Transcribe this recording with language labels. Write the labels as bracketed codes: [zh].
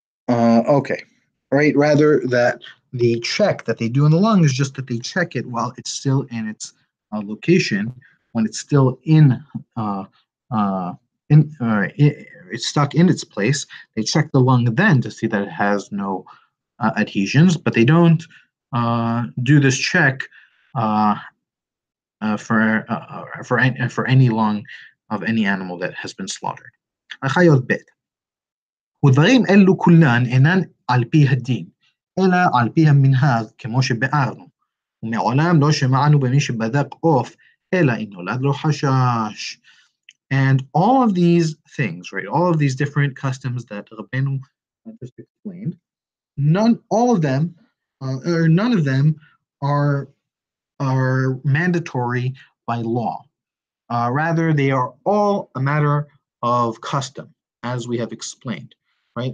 [en] Okay, right, rather that the check that they do in the lung is just that they check it while it's still in its location, when it's still it's stuck in its place. They check the lung then to see that it has no adhesions, but they don't do this check for any lung of any animal that has been slaughtered. Achayot bet. [he] ודברים אלו כולן אינן על פי הדין. אלא על פי המנהג, כמו שבארנו. ומעולם לא שמענו במי שבדק אוף, אלא אם נולד לו חשש. [en] And all of these things, right, all of these different customs that Rabbeinu just explained, none of them are mandatory by law. Rather, they are all a matter of custom, as we have explained, right?